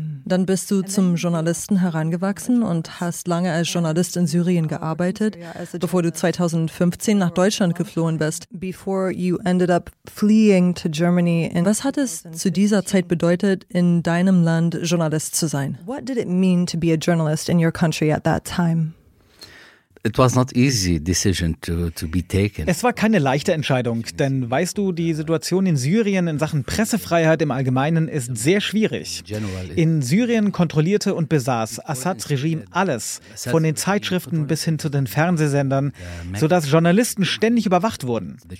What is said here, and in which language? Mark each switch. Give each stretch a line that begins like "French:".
German: Dann bist du zum Journalisten herangewachsen und hast lange als Journalist in Syrien gearbeitet, bevor du 2015 nach Deutschland geflohen bist.
English: Before you ended up fleeing to Germany.
German: Was hat es zu dieser Zeit bedeutet, in deinem Land Journalist zu sein?
English: What did it mean to be a journalist in your country at that time? It was not easy decision to be taken.
German: Es war keine leichte Entscheidung, denn weißt du, die Situation in Syrien in Sachen Pressefreiheit im Allgemeinen ist sehr schwierig. In Syrien kontrollierte und besaß Assads Regime alles, von den Zeitschriften bis hin zu den Fernsehsendern, sodass Journalisten ständig überwacht wurden.